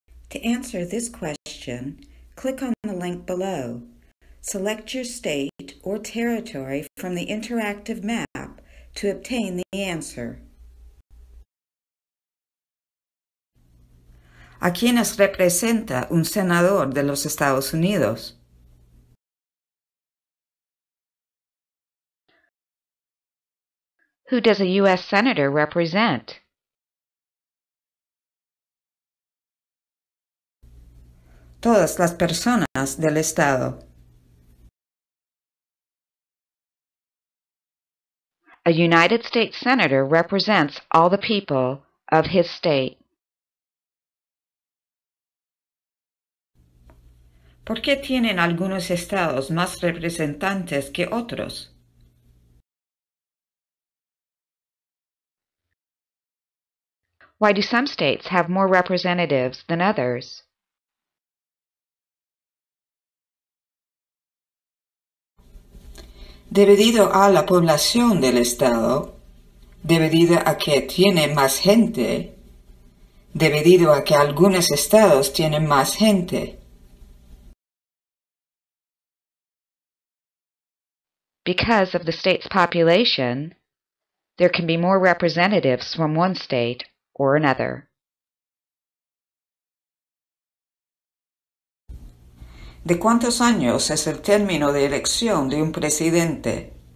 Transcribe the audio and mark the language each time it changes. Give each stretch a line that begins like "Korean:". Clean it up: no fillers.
English: To answer this question, click on the link below. Select your state or territory from the interactive map to obtain the answer.
Spanish: ¿A quiénes representa un senador de los Estados Unidos?
English: Who does a U.S. senator represent?
Spanish: Todas las personas del estado.
English: A United States senator represents all the people of his state.
Spanish: ¿Por qué tienen algunos estados más representantes que otros?
English: Why do some states have more representatives than others?
Spanish: Debido a la población del estado, debido a que tiene más gente, debido a que algunos estados tienen más gente.
English: Because of the state's population, there can be more representatives from one state or another.
Spanish: ¿De cuántos años es el término de elección de un presidente?